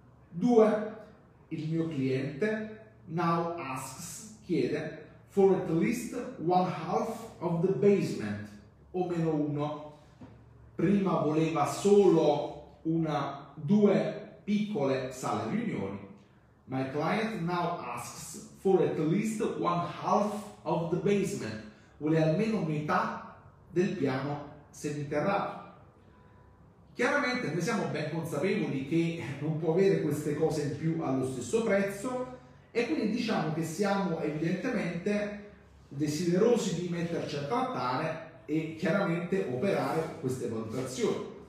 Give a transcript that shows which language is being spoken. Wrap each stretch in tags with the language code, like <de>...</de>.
<en>2.</en> <it>Il mio cliente</it> <en>now asks,</en> <it>chiede,</it> <en>for at least 1/2 of the basement,</en> <it>o meno uno. Prima voleva solo una, due piccole sale riunioni.</it> <en>My client now asks for at least 1/2 of the basement.</en> <it>Vuole almeno metà del piano seminterrato. Chiaramente noi siamo ben consapevoli che non può avere queste cose in più allo stesso prezzo e quindi diciamo che siamo evidentemente desiderosi di metterci a trattare e chiaramente operare queste valutazioni.</it>